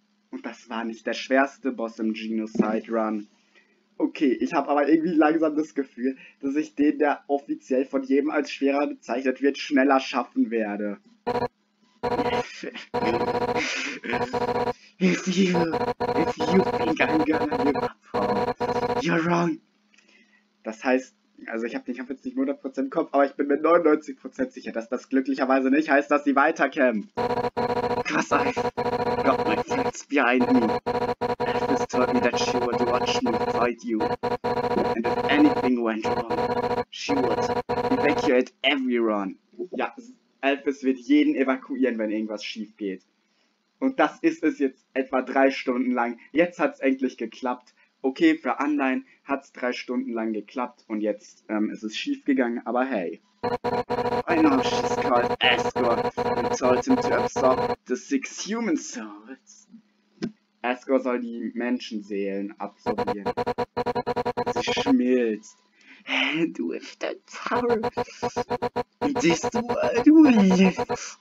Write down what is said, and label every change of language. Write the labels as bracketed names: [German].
[German] Und das war nicht der schwerste Boss im Genocide Run. Okay, ich habe aber irgendwie langsam das Gefühl, dass ich den, der offiziell von jedem als schwerer bezeichnet wird, schneller schaffen werde. [English] If you think I'm gonna give up for you're wrong. [German] Das heißt, also ich habe den Kampf jetzt nicht 100% im Kopf, aber ich bin mir 99% sicher, dass das glücklicherweise nicht heißt, dass sie weiterkämpft. [English] Because I've got my friends behind me. Elvis told me that she would watch me fight you. And if anything went wrong, she would evacuate everyone. [German] Ja, Elvis wird jeden evakuieren, wenn irgendwas schief geht. Und das ist es jetzt etwa 3 Stunden lang. Jetzt hat's endlich geklappt. Okay, für Anleihen hat es 3 Stunden lang geklappt und jetzt ist es schief gegangen, aber hey. [English] I know she's called Asgore and told him to absorb the 6 human souls. [German] Asgore soll die Menschenseelen absorbieren. Sie schmilzt. [English] And with the power, this world will live.